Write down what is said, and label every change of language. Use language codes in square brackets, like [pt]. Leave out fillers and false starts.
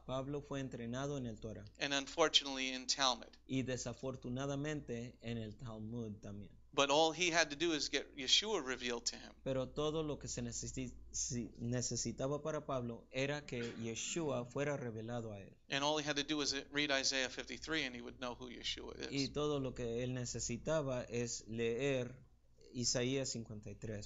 [es] Pablo fue entrenado en el Torah. [en] And unfortunately in Talmud. [es] Y desafortunadamente en el Talmud también. [en] But all he had to do is get Yeshua revealed to him. [es] Pero todo lo que se necesitaba para Pablo era que Yeshua fuera revelado a él. [en] And all he had to do was read Isaiah 53 and he would know who Yeshua is. [es] Y todo lo que él necesitaba es leer Isaías 53